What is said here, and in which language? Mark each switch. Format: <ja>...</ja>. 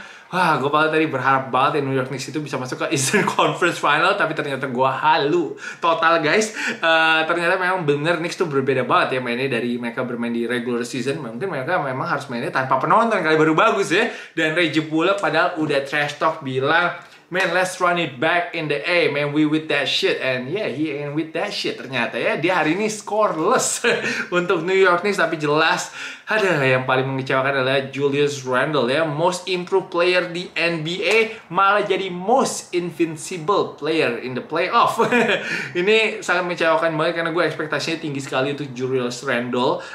<id>Wah, gue paling tadi berharap banget ya New York Knicks itu bisa masuk ke Eastern Conference Final, tapi ternyata gue halu total guys. Ternyata memang bener Knicks tuh berbeda banget ya mainnya dari mereka bermain di regular season. Mungkin mereka memang harus mainnya tanpa penonton kali baru bagus ya. Dan Reggie Bullock padahal udah trash talk bilang,</id> <en>man, let's run it back in the A, man, we with that shit. And yeah, he ain't with that shit</en> <id>ternyata ya. Dia hari ini scoreless untuk New York Knicks. Tapi jelas, ada yang paling mengecewakan adalah Julius Randle ya.</id> <en>Most improved player di NBA,</en> <id>malah jadi</id> <en>most invincible player in the playoff.</en> <id>Ini sangat mengecewakan banget karena gue ekspektasinya tinggi sekali untuk Julius Randle.</id>